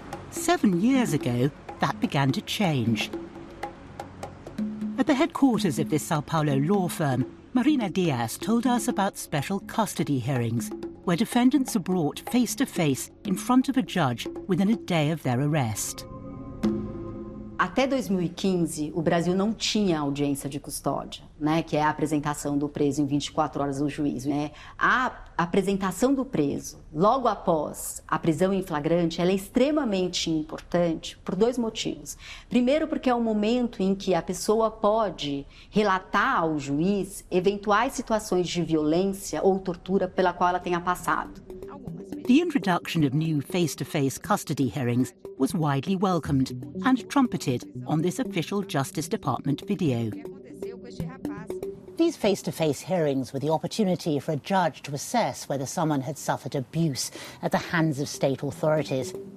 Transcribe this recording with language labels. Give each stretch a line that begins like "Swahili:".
English: Seven years ago, that began to change. At the headquarters of this Sao Paulo law firm, Marina Diaz told us about special custody hearings, where defendants are brought face-to-face in front of a judge within a day of their arrest.
Portuguese: Até 2015, o Brasil não tinha audiência de custódia, né, que é a apresentação do preso em 24 horas no juiz. Né? A apresentação do preso logo após a prisão em flagrante, ela é extremamente importante por dois motivos. Primeiro, porque é o momento em que a pessoa pode relatar ao juiz eventuais situações de violência ou tortura pela qual ela tenha passado.
English: The introduction of new face-to-face custody hearings was widely welcomed and trumpeted on this official Justice Department video. These face-to-face hearings were the opportunity for a judge to assess whether someone had suffered abuse at the hands of state authorities.